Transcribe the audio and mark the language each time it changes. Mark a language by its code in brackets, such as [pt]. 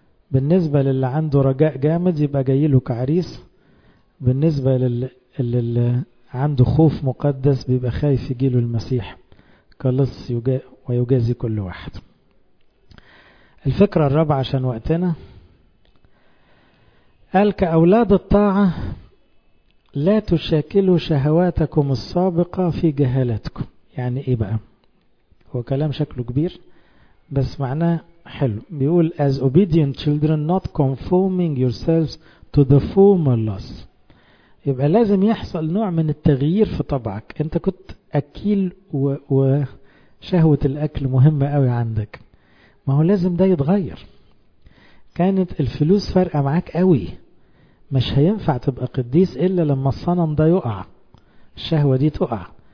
[ar] بالنسبة للي عنده رجاء جامد يبقى جاي له كعريس، بالنسبة للي عنده خوف مقدس بيبقى خايف يجي له المسيح كلص ويجازي كل واحد. الفكرة الرابعة عشان وقتنا، قال كأولاد الطاعة لا تشاكلوا شهواتكم السابقة في جهالتكم. يعني ايه بقى؟ هو كلام شكله كبير بس معناه حلو. بيقول [en] as obedient children not conforming yourselves to the former laws. [ar] يبقى لازم يحصل نوع من التغيير في طبعك. انت كنت اكيل وشهوة الاكل مهمة قوي عندك، ما هو لازم ده يتغير. كانت الفلوس فارقة معاك قوي، مش هينفع تبقى قديس الا لما الصنم ده يقع، الشهوة دي تقع.